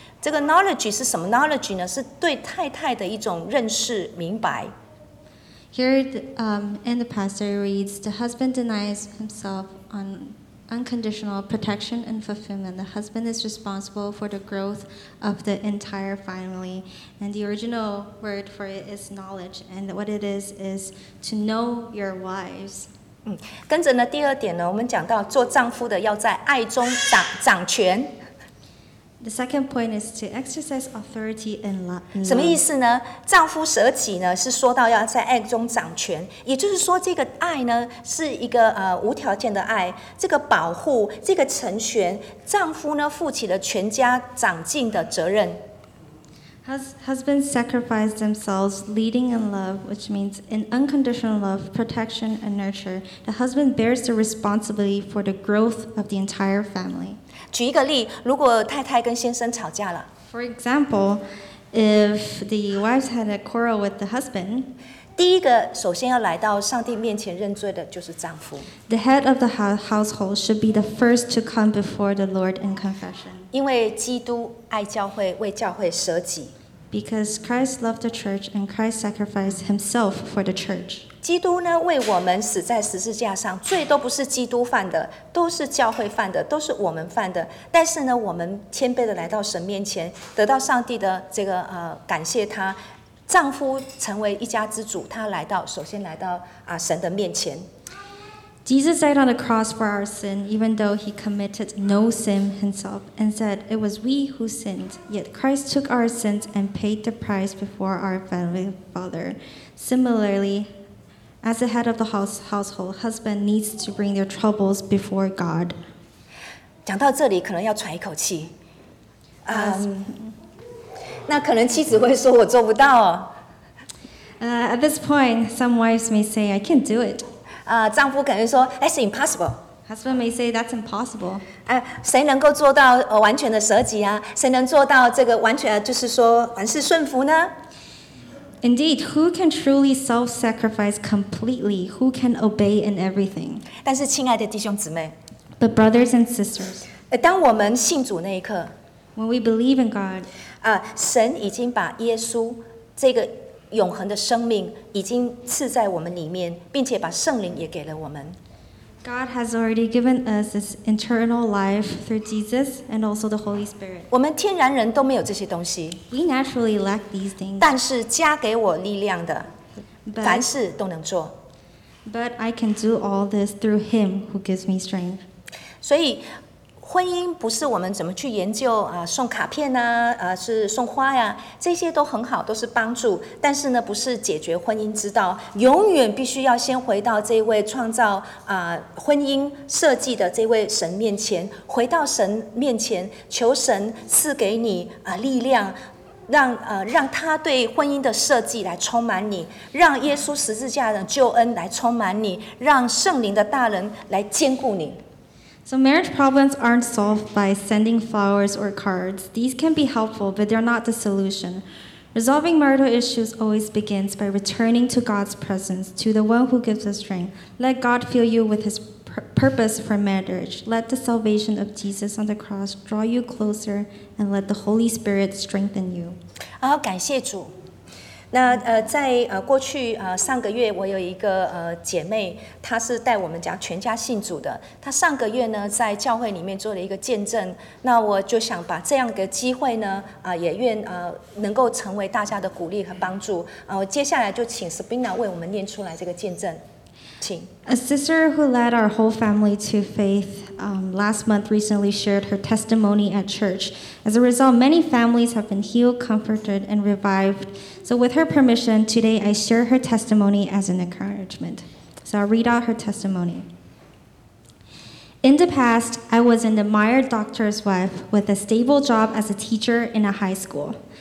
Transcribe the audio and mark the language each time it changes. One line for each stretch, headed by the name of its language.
Chinese: 这个 knowledge 是什么 knowledge 呢？是对太太的一种认识明白。
English: Here, in the passage reads, the husband denies himself on unconditional protection and fulfillment. The husband is responsible for the growth of the entire family. And the original word for it is knowledge. And what it is to know your wives.
Chinese: 跟着呢，第二点呢，我们讲到做丈夫的要在爱中掌权。
English: The second point is to exercise authority in love.
Chinese: 什么意思呢？丈夫舍己呢，是说到要在爱中掌权，也就是说，这个爱呢，是一个无条件的爱，这个保护，这个成全，丈夫呢负起了全家长进的责任。
English: Husbands sacrifice themselves, leading in love, which means in unconditional love, protection and nurture. The husband bears the responsibility for the growth of the entire family.
Chinese: 举一个例，如果太太跟先生吵架了
English: ，For example, if the wives had a quarrel with the husband,
Chinese: 第一个首先要来到上帝面前认罪的就是丈夫。
English: The head of the household should be the first to come before the Lord in confession.
Chinese: 因为基督爱教会，为教会舍己。
English: Because Christ loved the church and Christ sacrificed himself for the church.
Chinese: 基督呢为我们死在十字架上，罪都不是基督犯的，都是教会犯的，都是我们犯的。但是呢，我们谦卑的来到神面前，得到上帝的这个感谢他，丈夫成为一家之主，他来到首先来到神的面前。
English: Jesus died on the cross for our sin, even though he committed no sin himself, and said, it was we who sinned. Yet Christ took our sins and paid the price before our family father. Similarly, as the head of the household, husband needs to bring their troubles before God.
Chinese: 讲到这里，可能要喘一口气。那可能妻子会说我做不到。
English: At this point, some wives may say, I can't do it.
Chinese: 丈夫可能说
English: that's impossible. Husband may say, that's impossible.
Chinese: 谁能够做到完全的舍己啊？谁能做到这个完全就是说凡事顺服呢？
English: Indeed, who can truly self-sacrifice completely? Who can obey in everything?
Chinese: 但是亲爱的弟兄姊妹，
English: But brothers and sisters,
Chinese: 当我们信主那一刻，
English: When we believe in God,
Chinese: 神已经把耶稣这个永恒的生命已经赐在我们里面，并且把圣灵也给了我们。
English: God has already given us this eternal life through Jesus and also the Holy Spirit.
Chinese: 我们天然人都没有这些东西。
English: We naturally lack these things.
Chinese: 但是加给我力量的，凡事都能做。
English: But I can do all this through Him who gives me strength.
Chinese: 所以婚姻不是我们怎么去研究啊，送卡片呐，是送花呀，这些都很好，都是帮助。但是呢，不是解决婚姻之道，永远必须要先回到这位创造婚姻设计的这位神面前，回到神面前，求神赐给你力量，让他对婚姻的设计来充满你，让耶稣十字架的救恩来充满你，让圣灵的大能来坚固你。
English: So marriage problems aren't solved by sending flowers or cards. These can be helpful, but they're not the solution. Resolving marital issues always begins by returning to God's presence, to the one who gives us strength. Let God fill you with his purpose for marriage. Let the salvation of Jesus on the cross draw you closer, and let the Holy Spirit strengthen you.
Chinese: 好，感谢主。那在过去上个月，我有一个姐妹，她是带我们家全家信主的。她上个月呢，在教会里面做了一个见证。那我就想把这样的机会呢，也愿能够成为大家的鼓励和帮助。我接下来就请 Sabina 为我们念出来这个见证，请。
English: A sister who led our whole family to faith, last month recently shared her testimony at church. As a result, many families have been healed, comforted, and revived. So with her permission, today I share her testimony as an encouragement. So I'll read out her testimony. In the past, I was an admired doctor's wife with a stable job as a teacher in a high school.